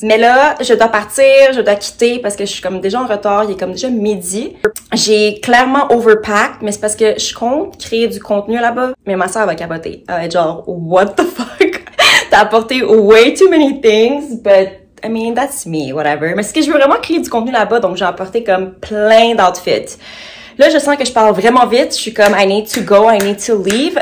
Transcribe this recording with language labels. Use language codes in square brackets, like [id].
[fr] Mais là, je dois partir, je dois quitter parce que je suis comme déjà en retard. Il est comme déjà midi. J'ai clairement overpacked, mais c'est parce que je compte créer du contenu là-bas. Mais ma soeur va capoter. Elle va être genre, [en] what the fuck? [fr] Apporté [en] way too many things, but I mean, that's me, whatever. [fr] Mais c'est que je veux vraiment créer du contenu là-bas, donc j'ai apporté comme plein d'outfits. Là, je sens que je parle vraiment vite. Je suis comme, [en] I need to go, I need to leave.